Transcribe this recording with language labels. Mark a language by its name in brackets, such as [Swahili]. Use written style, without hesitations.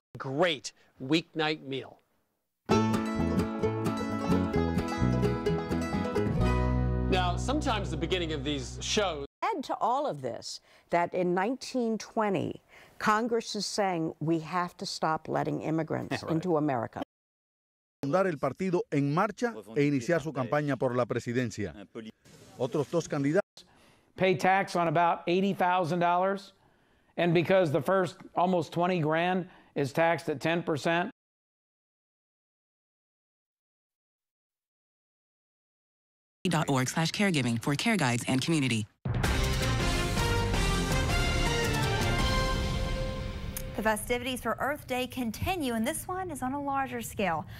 [English] Great weeknight meal. Now, sometimes the beginning of these shows... Add to all of this that in 1920, Congress is saying we have to stop letting immigrants right. into America. [Spanish] Fundar el partido en marcha e iniciar su campaña por la presidencia. Otros dos candidatos... [English] Pay tax on about $80,000. And because the first almost 20 grand is taxed at 10%. .org/caregiving for care guides and community. The festivities for Earth Day continue, and this one is on a larger scale.